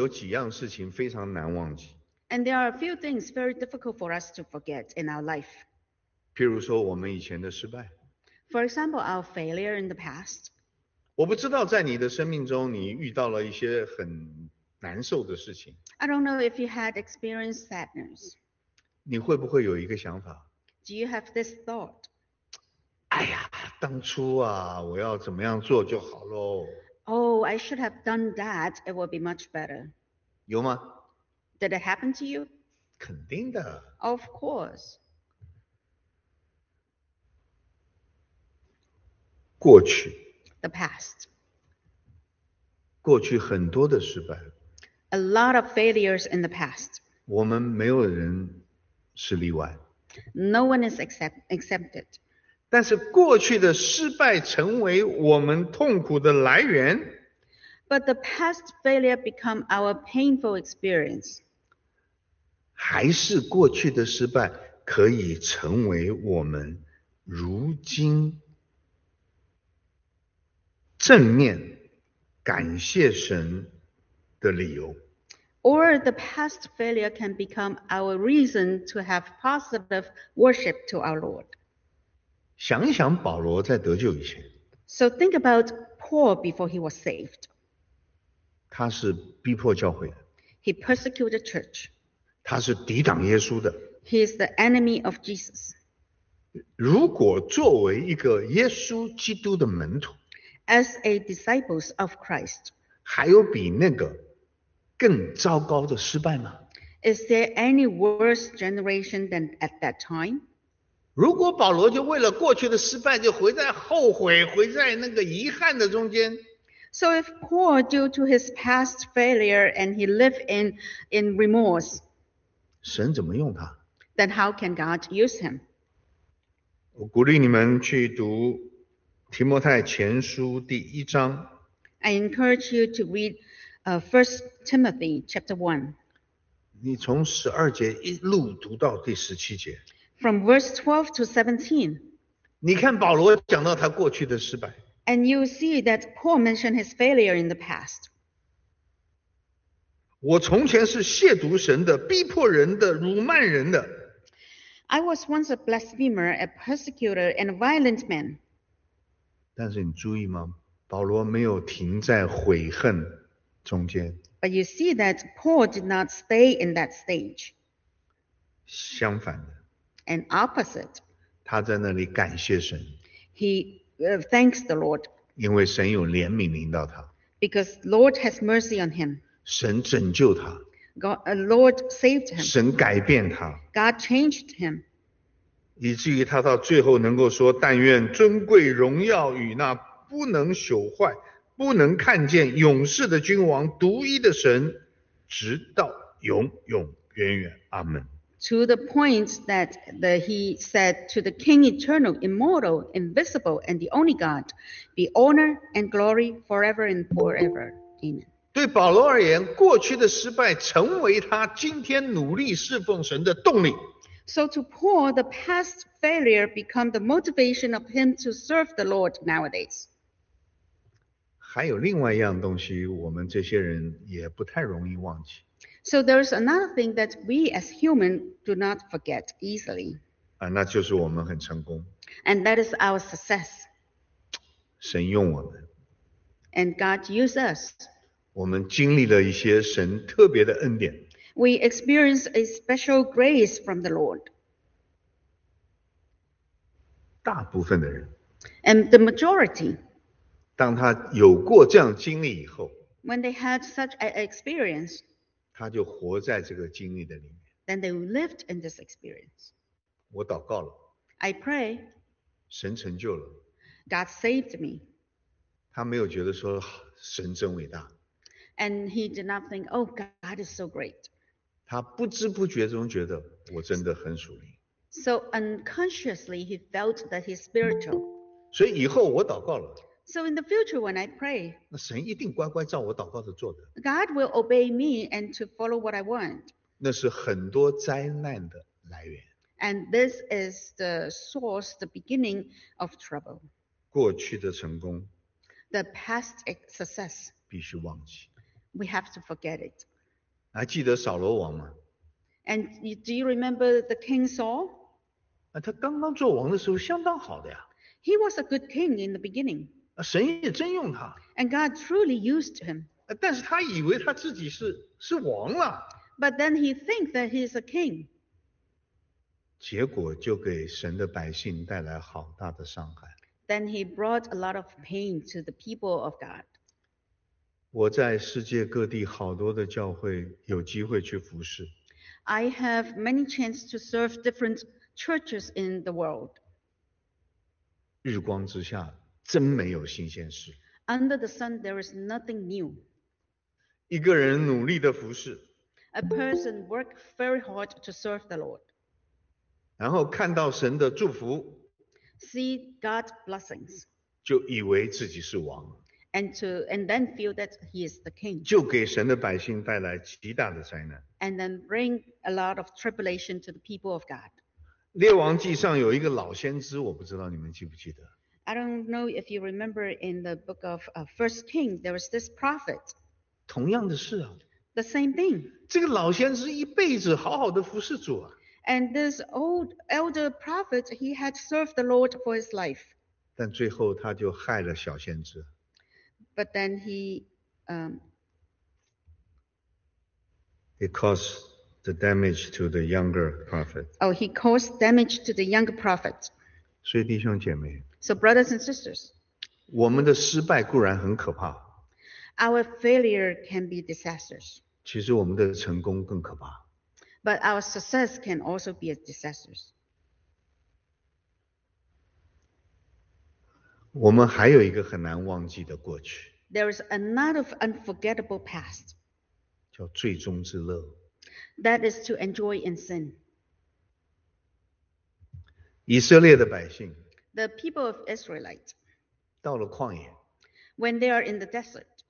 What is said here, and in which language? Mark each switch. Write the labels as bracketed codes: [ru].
[zh] 在我们的生命中有几样事情非常难忘记, [en] and there are a few things very difficult for us to forget in our life. [zh] 譬如说我们以前的失败, [en] for example, our failure in the past. [zh] 我不知道在你的生命中你遇到了一些很难受的事情, [en] I don't know if you had experienced sadness. [zh] 你会不会有一个想法, [en] do you have this thought? [zh] 哎呀, 当初啊, 我要怎么样做就好咯, [en] oh, I should have done that, it would be much better. [zh] 有吗? [en] Did it happen to you? [zh] 肯定的, [en] of course. [zh] 过去, [en] the past, [zh] 过去很多的失败, [en] a lot of failures in the past, [zh] 我们没有人是例外, [en] no one is exempted. [zh] 但是过去的失败成为我们痛苦的来源, [en] but the past failure become our painful experience. [zh] 还是过去的失败可以成为我们如今正面感谢神的理由, [en] or the past failure can become our reason to have positive worship to our Lord. [zh] 想一想保罗在得救以前, [en] so think about Paul before he was saved. [zh] 他是逼迫教会, [en] he persecuted church. [zh] 他是抵挡耶稣的, [en] he is the enemy of Jesus. [zh] 如果作为一个耶稣基督的门徒, [en] as a disciple of Christ, [zh] 还有比那个更糟糕的失败吗? [en] Is there any worse generation than at that time? [zh] 如果保罗就为了过去的失败就回在后悔，回在那个遗憾的中间。 [en] So if Paul, due to his past failure, and he lived in remorse, [zh] 神怎么用他？ [en] Then how can God use him? [zh] 我鼓励你们去读提摩太前书第一章。 [en] I encourage you to read First Timothy chapter 1. [zh] 你从十二节一路读到第十七节。 [en] From verse 12 to 17. [zh] 你看保罗讲到他过去的失败。 [en] And you see that Paul mentioned his failure in the past. [zh] 我从前是亵渎神的，逼迫人的，辱骂人的。 [en] I was once a blasphemer, a persecutor, and a violent man. [zh] 但是你注意吗？保罗没有停在悔恨中间。 [en] But you see that Paul did not stay in that stage. [zh] 相反的。 [en] And opposite. [zh] 他在那里感谢神。 [en] He thanks the Lord. [zh] 因为神有怜悯临到他。 [en] Because Lord has mercy on him. [zh] 神拯救他。 [en] God, Lord saved him. [zh] 神改变他。 [en] God changed him. [zh] 以至于他到最后能够说，但愿尊贵荣耀与那不能朽坏，不能看见永世的君王，独一的神，直到永永远远。阿们。 [en] To the point that he said to the King Eternal, Immortal, Invisible, and the Only God, be honor and glory forever and forever. Amen. [zh] 对保罗而言，过去的失败成为他今天努力侍奉神的动力。 [en] So to Paul, the past failure become the motivation of him to serve the Lord nowadays. [zh] 还有另外一样东西，我们这些人也不太容易忘记。 [en] So there's another thing that we as human do not forget easily. [zh] 那就是我们很成功。 [en] And that is our success. [zh] 神用我们。 [en] And God used us. [zh] 我们经历了一些神特别的恩典。 [en] We experienced a special grace from the Lord. [zh] 大部分的人。 [en] And the majority. [zh] 当他有过这样经历以后。 [en] When they had such an experience. [zh] 他就活在这个经历的里面。 [en] Then they lived in this experience. [zh] 我祷告了。 [en] I pray. [zh] 神成就了。 [en] God saved me. [zh] 他没有觉得说神真伟大。 [en] And he did not think, oh, God is so great. [zh] 他不知不觉中觉得我真的很属灵。 [en] So unconsciously he felt that he's spiritual. [zh] 所以以后我祷告了。 [en] So in the future when I pray, [zh] 那神一定乖乖照我祷告的做的。 [en] God will obey me and to follow what I want. [zh] 那是很多灾难的来源。 [en] And this is the source, the beginning of trouble. [zh] 过去的成功。 [en] The past success. [zh] 必须忘记。 [en] We have to forget it. [zh] 还记得扫罗王吗？ [en] And do you remember the king Saul? [zh] 他刚刚做王的时候相当好的呀。 [en] He was a good king in the beginning. [zh] 神也真用他。 [en] And God truly used him. [zh] 但是他以为他自己是王了。 [en] But then he thinks that he is a king. [zh] 结果就给神的百姓带来好大的伤害。 [en] Then he brought a lot of pain to the people of God. [zh] 我在世界各地好多的教会有机会去服事。 [en] I have many chances to serve different churches in the world. [zh] 日光之下真没有新鲜事。 [en] Under the sun, there is nothing new. [zh] 一个人努力的服事。 [en] A person works very hard to serve the Lord. [zh] 然后看到神的祝福。 [en] See God's blessings. [zh] 就以为自己是王。 [en] And then feel that he is the king. [zh] 就给神的百姓带来极大的灾难。 [en] And then bring a lot of tribulation to the people of God. [zh] 列王记上有一个老先知，我不知道你们记不记得。 [en] I don't know if you remember in the book of First King, there was this prophet. [zh] 同样的事啊。 [en] The same thing. [zh] 这个老先知一辈子好好的服侍主啊。 [en] And this old elder prophet, he had served the Lord for his life. [zh] 但最后他就害了小先知。 [en] But then he, It caused the damage to the younger prophet. Oh, he caused damage to the younger prophet. [zh] 所以弟兄姐妹。 [en] So brothers and sisters, [zh] 我们的失败固然很可怕。 [en] Our failure can be disastrous. [zh] 其实我们的成功更可怕。 [en] But our success can also be a disastrous. [zh] 我们还有一个很难忘记的过去。 [en] There is another unforgettable past. [zh] 叫最终之乐。 [en] That is to enjoy in sin. [zh] 以色列的百姓。 [en] The people of Israelite. [zh] 到了旷野。 [en] When they are in the desert.